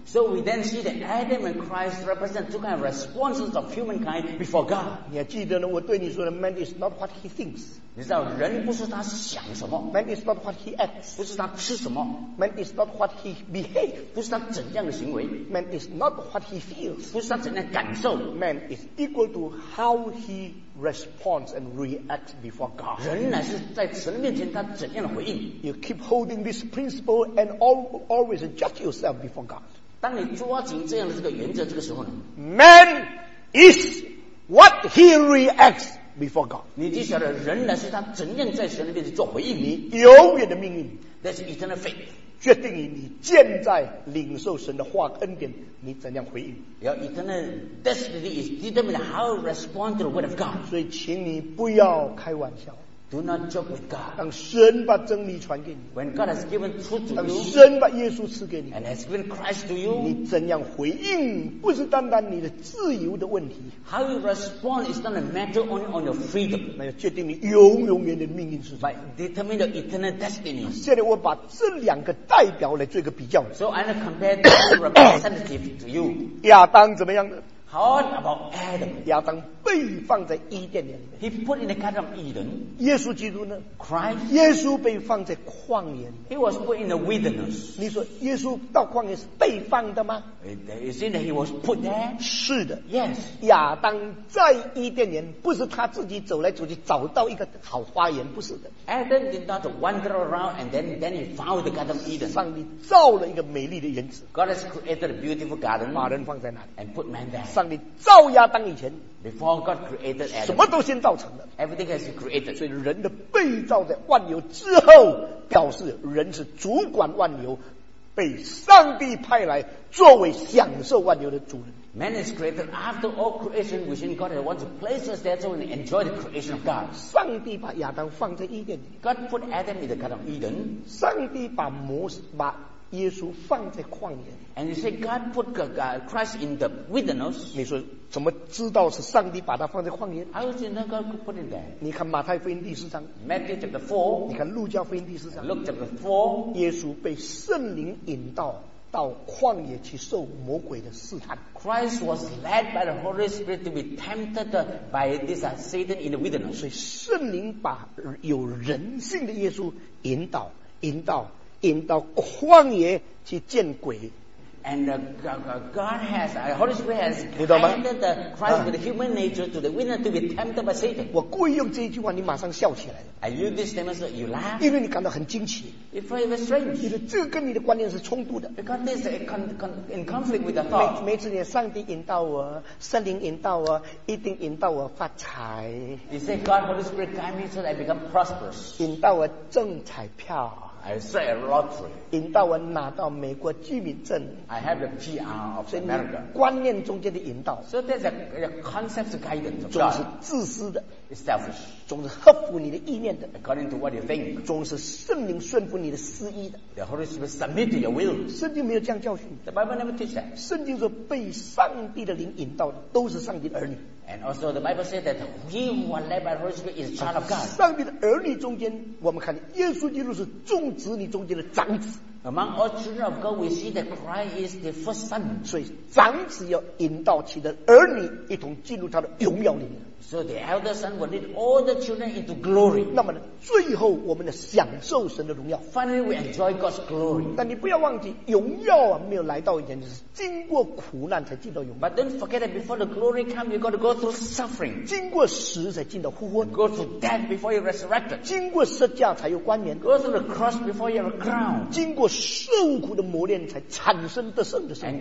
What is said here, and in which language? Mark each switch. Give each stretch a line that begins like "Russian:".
English: So we then see that Adam and Christ represent two kind of responses of humankind before God.
Chinese: 你还记得呢，我对你说的
English: Man is not what he thinks.
Chinese: 你知道人不是他想什么。
English: Man is not what he acts.
Chinese: 不是他吃什么。
English: Man is not what he behaves.
Chinese: 不是他怎样的行为。
English: Man is not what he feels.
Chinese: 不是他怎样感受。
English: Man is equal to how he responds and reacts before God.
Chinese: 人乃是在神面前他怎样的回应。
English: You keep holding this principle and always judge yourself before God.
Chinese: 当你抓紧这样的这个原则这个时候呢，
English: Man is what he reacts before God.
Chinese: 你就晓得人呢是他真正在神的面前做回应。你永远的命运
English: That's eternal faith.
Chinese: 决定于你现在领受神的话恩典你怎样回应。
English: Your eternal destiny is determined how to respond to the word of God.
Chinese: 所以请你不要开玩笑。
English: Do not joke with God.
Chinese: 当神把真理传给你
English: When God has given truth to you,
Chinese: 当神把耶稣赐给你
English: And has given Christ to you,
Chinese: 你怎样回应不是单单你的自由的问题
English: How you respond is not a matter only on your freedom.
Chinese: 那要决定你永永远的命运是什么
English: But determine your eternal destiny.
Chinese: 现在我把这两个代表来做一个比较
English: So I'm going to compare the representative to you.
Chinese: 亚当怎么样呢
English: How about Adam?
Chinese: 亚当被放在伊甸里面。
English: He put in the garden of Eden.
Chinese: 耶稣基督呢
English: ？Christ.
Chinese: 耶稣被放在旷野里。
English: He was put in the wilderness.
Chinese: 你说耶稣到旷野是被放的吗
English: ？Is it that he was put there?
Chinese: 是的。
English: Yes.
Chinese: 亚当在伊甸里，不是他自己走来走去找到一个好花园，不是的。
English: Adam did not wander around and then he found the garden of Eden.
Chinese: 上帝造了一个美丽的园子。
English: God has created a beautiful garden.
Chinese: 把人放在那里
English: ，and put man there.
Chinese: 上帝造亚当以前
English: Before God created Adam,
Chinese: 什么都先造成的
English: Everything has been created.
Chinese: 所以人的被造在万有之后表示人是主管万有被上帝派来作为享受万有的主人
English: Man is created after all creation within God and wants to place us there so we enjoy the creation of God
Chinese: 上帝把亚当放在伊甸
English: God put Adam in the Garden of Eden
Chinese: 上帝把摩西把耶稣放在旷野
English: And you say God put Christ in the wilderness
Chinese: 你说怎么知道是上帝把他放在旷野
English: How did you know God put it there
Chinese: 你看马太福音第四章
English: Matthew chapter 4
Chinese: 你看路加福音第四章
English: Luke chapter 4
Chinese: 耶稣被圣灵引导到旷野去受魔鬼的试探
English: Christ was led by the Holy Spirit to be tempted by this Satan in the wilderness
Chinese: 所以圣灵把有人性的耶稣引导旷野去见鬼
English: and God has Holy Spirit has guided the Christ with the human nature to the wilderness to be tempted by Satan
Chinese: 我故意用这一句话你马上笑起来了
English: I use this statement so you laugh
Chinese: 因为你感到很惊奇
English: It's very strange
Chinese: 这个跟你的观念是冲突的
English: because this is in conflict with the thought
Chinese: 每次上帝引导我圣灵引导我一定引导我发财
English: You say God Holy Spirit guide me so that I become prosperous
Chinese: 引导我中彩票
English: I say a lottery.
Chinese: 引导我拿到美国居民证。
English: I have the PR of America.
Chinese: 观念中间的引导。
English: So that's a concept guidance.
Chinese: 总是自私的。
English: It's selfish.
Chinese: 总是合乎你的意念的。
English: According to what you think.
Chinese: 总是圣灵顺服你的私意的。
English: The Holy Spirit submit to your will.
Chinese: 圣经没有这样教训。
English: The Bible never teach that.
Chinese: 圣经说被上帝的灵引导的都是上帝的儿女。
English: And also the Bible says that he who are led by the Holy Spirit is a child of God.
Chinese: 上帝的儿女中间我们看见耶稣基督是众子女中间的长子。
English: Among all children of God, we see that Christ is the first son.
Chinese: 所以长子要引导其的儿女一同进入他的荣耀里面。
English: So the elder son will lead all the children into glory.
Chinese: 那么呢最后我们的享受神的荣耀。
English: Finally, we enjoy God's glory.
Chinese: 但你不要忘记荣耀啊没有来到以前就是经过苦难才进到荣耀。
English: But don't forget that before the glory comes, you've got to go through suffering.
Chinese: 经过死才进到复活。
English: Go through death before you're resurrected.
Chinese: 经过十架才有冠冕。
English: Go through the cross before you're crowned.
Chinese: 经过受苦的磨练才产生得胜的生命。